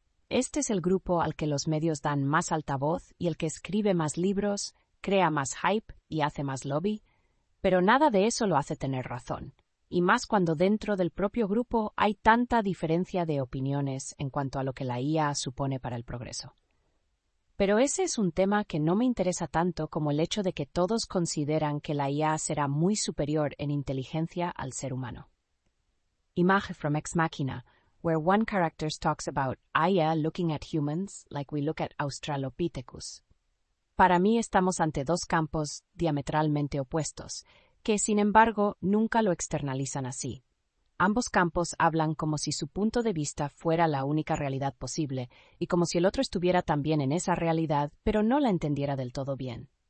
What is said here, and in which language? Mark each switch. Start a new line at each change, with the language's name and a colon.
Spanish: Este es el grupo al que los medios dan más altavoz y el que escribe más libros, crea más hype y hace más lobby, pero nada de eso lo hace tener razón, y más cuando dentro del propio grupo hay tanta diferencia de opiniones en cuanto a lo que la IA supone para el progreso. Pero ese es un tema que no me interesa tanto como el hecho de que todos consideran que la IA será muy superior en inteligencia al ser humano.
English: Image from Ex Machina, where one character talks about IA looking at humans like we look at Australopithecus.
Spanish: Para mí estamos ante dos campos diametralmente opuestos, que sin embargo nunca lo externalizan así. Ambos campos hablan como si su punto de vista fuera la única realidad posible y como si el otro estuviera también en esa realidad, pero no la entendiera del todo bien.